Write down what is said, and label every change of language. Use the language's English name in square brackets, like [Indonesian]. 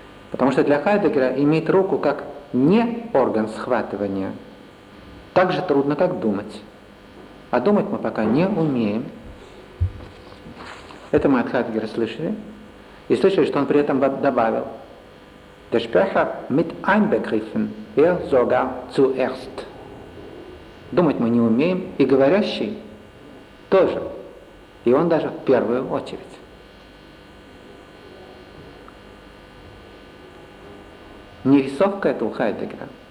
[Russian] Потому что для Хайдеггера иметь руку как не орган схватывания так же трудно, как думать. А думать мы пока не умеем. Это мы от Хайдеггера слышали. И слышали, что он при этом добавил. [German] Der Sprecher mit einbegriffen, er sogar zuerst. [Russian] Думать мы не умеем, и говорящий тоже. И он даже в первую очередь. Нерисовка это у Хайдеггера.